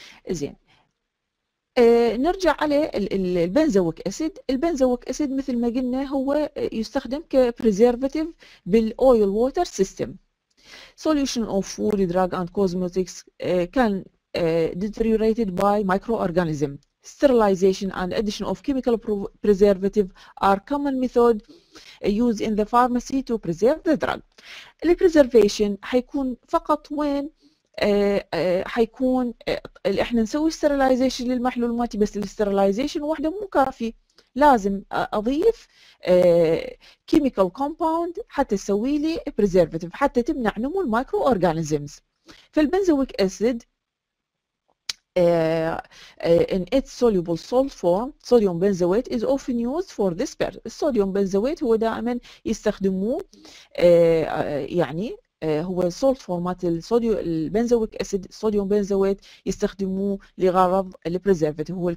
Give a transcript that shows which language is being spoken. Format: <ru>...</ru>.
<ar>زين نرجع على البنزويك اسيد. البنزويك اسيد مثل ما قلنا هو يستخدم كبريزرفاتيف بالاويل ووتر سيستم.</ar> <en>Solution of food drug and cosmetics can deteriorated by micro organism sterilization and addition of chemical preservative are common method used in the pharmacy to preserve the drug. The preservation</en> <ar>حيكون فقط وين حيكون اللي احنا نسوي sterilization للمحلول الماتي، بس sterilization وحده مو كافي، لازم اضيف chemical compound حتى تسوي لي preservative حتى تمنع نمو المايكرو اورجانيزمز. فالبنزويك اسيد</ar> <en>in its soluble salt form, sodium benzoate is often used for this purpose.</en> <ar>Sodium benzoate هو دائما يستخدموه يعني هو</ar> <en>salt format</en> <ar>الصوديوم البنزويك اسيد sodium benzoate يستخدموه لغرض preservative.</ar>